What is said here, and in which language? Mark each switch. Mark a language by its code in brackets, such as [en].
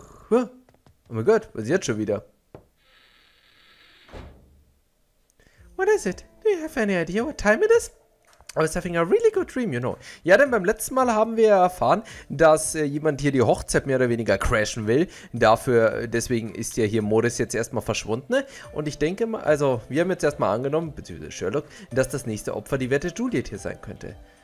[de] Oh mein Gott, was ist jetzt schon wieder? [en] What is it? Do you have any idea what time it is? I was having a really good dream, you know. [de] Ja, denn beim letzten Mal haben wir erfahren, dass jemand hier die Hochzeit mehr oder weniger crashen will. Deswegen ist ja hier Morris jetzt erstmal verschwunden. Und ich denke mal, also wir haben jetzt erstmal angenommen, beziehungsweise Sherlock, dass das nächste Opfer die Wette Juliet hier sein könnte.